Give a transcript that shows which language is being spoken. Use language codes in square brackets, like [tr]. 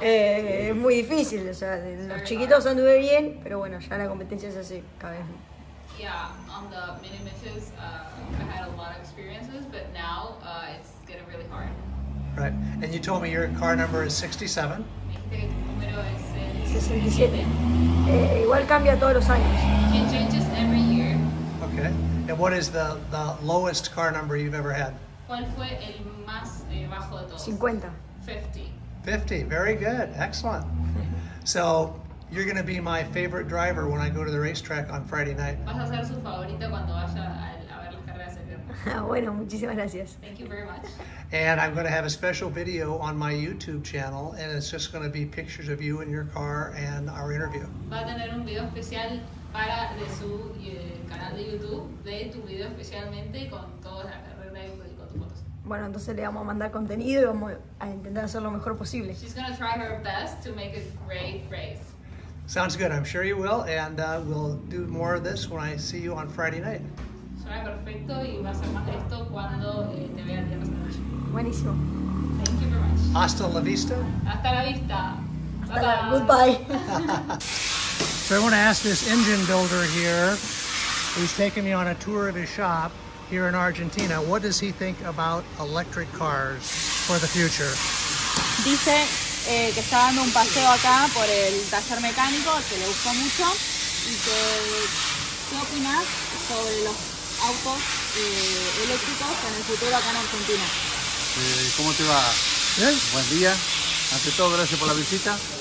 [es] Es muy difícil, o sea, en los chiquitos anduve bien, pero bueno, ya la competencia es así, cada vez. [en] Yeah, on the mini midges, I had a lot of experiences, but now it's getting really hard. Right, and you told me your car number is 67. [es] Me dijiste que tu número es 67. Igual cambia todos los años. [en] It changes every year. Okay, and what is the lowest car number you've ever had? [es] ¿Cuál fue el más bajo de todos? 50. [en] 50, very good, excellent. So, you're going to be my favorite driver when I go to the racetrack on Friday night. [es] Vas a ser su favorita cuando vaya a ver las carreras el viernes. Bueno, muchísimas gracias. [en] Thank you very much. And I'm going to have a special video on my YouTube channel, and it's just going to be pictures of you and your car and our interview. [es] Va a tener un video especial para de su canal de YouTube, de tu video especialmente con todas las carreras y con tus fotos. Bueno, entonces le vamos a mandar contenido y vamos a intentar hacer lo mejor posible. [en] She's going to try her best to make a great race. Sounds good. I'm sure you will. And we'll do more of this when I see you on Friday night. [es] Suena perfecto y va a ser más de esto cuando te vea el día pasado. Buenísimo. [en] Thank you very much. [es] Hasta la vista. Hasta la vista. Hasta la, [en] goodbye. So I want to ask this engine builder here, who's taking me on a tour of his shop here in Argentina, what does he think about electric cars for the future? [es] Dice que está dando un paseo acá por el taller mecánico, que le gustó mucho, y que ¿qué opinas sobre los autos eléctricos en el futuro acá en Argentina? ¿Cómo te va? ¿Bien? Buen día. Ante todo, gracias por la visita.